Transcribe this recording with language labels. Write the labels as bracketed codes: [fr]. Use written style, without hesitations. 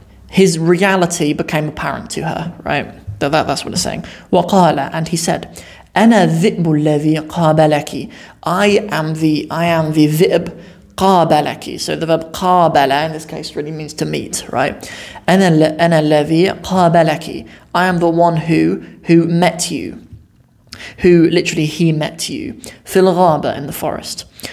[en] His reality became apparent to her, right? That's what it's saying. [ar] وقال, [en] and he said, [ar] أنا ذئب الذي قابلك. [en] I am the [ar] ذئب قابلك. [en] So the verb قابل in this case really means to meet, right? [ar] أنا الذي قابلك. [en] I am the one who met you. Who literally he met you. [ar] في الغابة, [en] in the forest.